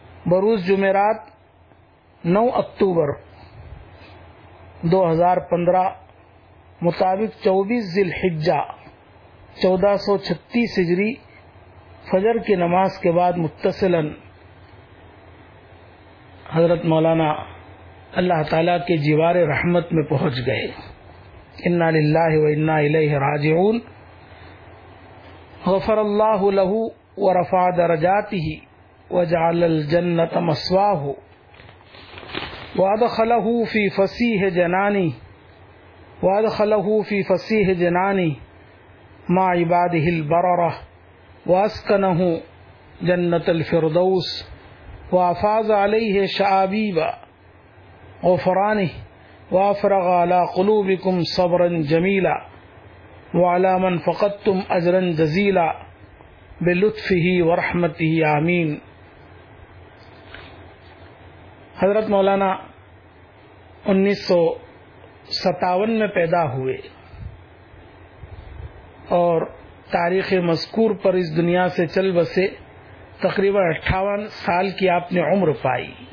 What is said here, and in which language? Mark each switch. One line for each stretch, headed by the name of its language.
Urdu: بروز جمعرات 9 اکتوبر 2015 مطابق 24 ذی الحجہ 1436 ہجری فجر کی نماز کے بعد متصلاً حضرت مولانا اللہ تعالیٰ کے جوار رحمت میں پہنچ گئے.
Arabic: انا للہ و انا الیہ راجعون. غفر اللہ له ورفع درجاته وجعل الجنة مثواه وادخله في فسيح جنانه وادخله في فسيح جنانه مع عباده البررة واسكنه جنة الفردوس وافاز عليه شعابيب غفرانه وافرغ على قلوبكم صبرا جميلا وعلى من فقدتم اجرا جزيلا بلطفه ورحمته آمين.
Urdu: حضرت مولانا 1957 میں پیدا ہوئے اور تاریخ مذکور پر اس دنیا سے چل بسے. تقریبا 58 سال کی آپ نے عمر پائی.